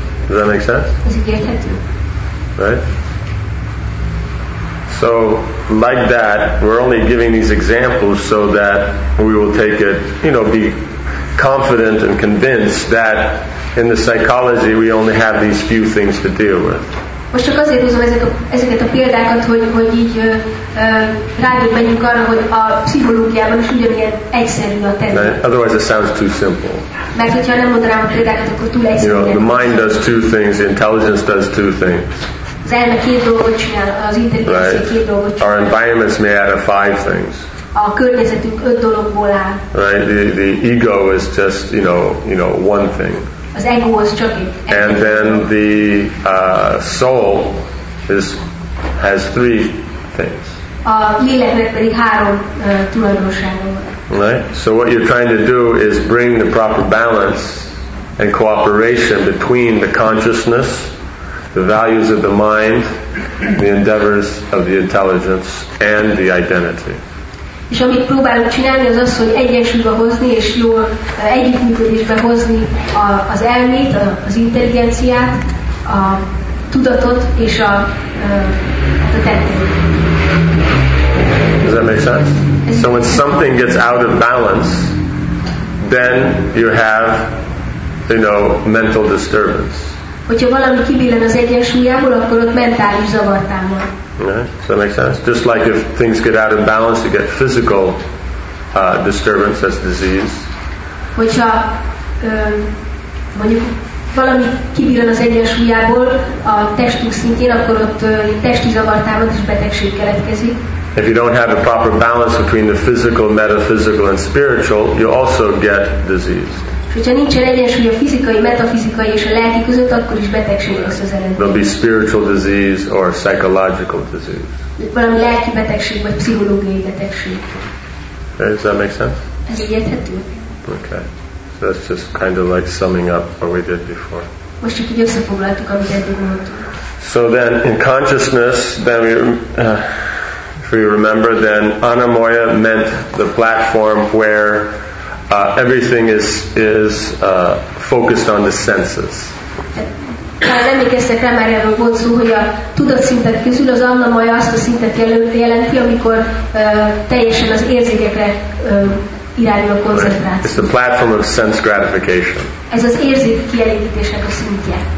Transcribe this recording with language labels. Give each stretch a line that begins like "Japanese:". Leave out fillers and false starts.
English: Does that make sense?
Hungarian: Ez így érthető.
English: Right? So, like that, we're only giving these examples so that we will take it, you know, be confident and convinced that in the psychology we only have these few things to deal with.
Hungarian: Most csak azért hozom ezeket a példákat, hogy így rájöjjünk arra, hogy a pszichológiában is ugyanilyen egyszerű a terület.
English: Otherwise it sounds too simple.
Hungarian: Mert hogyha nem mondanám a példákat, akkor túl egyszerű.
English: You know, the mind does two things, the intelligence does two things.
Hungarian: Az elme két dolgot csinál, az intelligencia
English: right.
Hungarian: Két dolgot csinál.
English: Our environments may add up five things.
Hungarian: A környezetünk öt dologból áll.
English: Right, the ego is just, you know, one thing.
Hungarian: Az ego az csak egy.
English: And then the soul has three things.
Hungarian: A léleknek pedig három tulajdonsága van.
English: Right. So what you're trying to do is bring the proper balance and cooperation between the consciousness, the values of the mind, the endeavors of the intelligence, and the identity.
Hungarian: És amit próbálunk csinálni, az az, hogy egyensúlyba hozni és jó együttműködésbe hozni az elmét, az intelligenciát, a tudatot és a tettét.
English: Does that make sense? So when something gets out of balance, then you have, you know, mental disturbance.
Hungarian: Hogyha valami kibillen az egyensúlyából, akkor ott mentális zavar támad.
English: Yeah, does that make sense? Just like if things get out of balance, you get physical disturbance, that's disease.
Hungarian: Hogyha mondjuk valami kibillen az egyensúlyából a testünk szintjén, akkor ott testi zavar támad és betegség keletkezik.
English: If you don't have a proper balance between the physical, metaphysical, and spiritual, you also get diseased.
Hungarian: Hogyha nincsen egyensúly a fizikai, metafizikai és a lelki között, akkor is betegség lesz az eredmény.
English: There'll be spiritual disease or psychological disease.
Hungarian: Valami lelki betegség vagy pszichológiai betegség.
English: Does that make sense?
Hungarian: Ez érthető.
English: Okay, so that's just kind of like summing up what we did before.
Hungarian: Most csak így összefoglaltuk, amit eddig mondtunk.
English: So then, in consciousness, then we. If you remember, then Anamaya meant the platform where everything is focused on the senses.
Hungarian: Nem emlékeztek rá, már erről volt szó, hogy a tudatszintet közül az Anamaya azt a szintet jelenti, amikor teljesen az érzékekre irányul a koncentráció.
English: It's the platform of sense gratification.
Hungarian: Ez az érzék kielégítésnek a szintje.